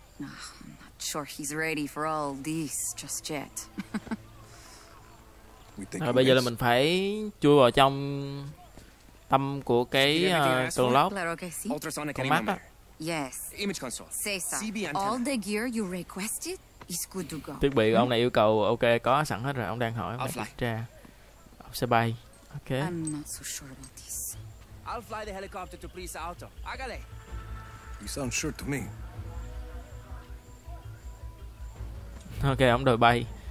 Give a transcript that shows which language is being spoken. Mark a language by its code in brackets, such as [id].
[en] I'm not sure he's ready for all this just yet. [vi] Rồi bây giờ là mình phải chui vào trong tâm của cái tường lốc. Con mắt đó. [en] Yes. Image console. Cesar, all the gear you requested is good to go. [vi] Thiết bị của ông này yêu cầu ok có sẵn hết rồi, ông đang hỏi mình kiểm tra. Ông sẽ bay. Ok. [en] I'm not so sure about this. I'll fly the helicopter to Prisa Alto. Agale. You sound sure to me. [vi] Ok, ông đòi bay.